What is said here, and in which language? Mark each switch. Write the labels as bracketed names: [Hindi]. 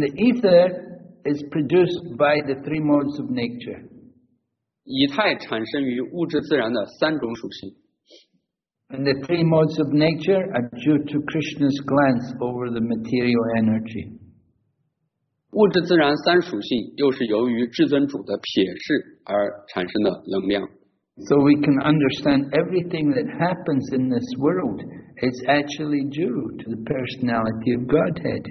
[English] the ether is produced by the three modes of nature. [Chinese] 以太产生于物质自然的三种属性。 [English] And the three modes of nature are due to Krishna's glance over the material energy. [Chinese] 物质自然三属性又是由于至尊主的瞥视而产生的能量。 [English] So we can understand everything that happens in this world is actually due to the personality of Godhead.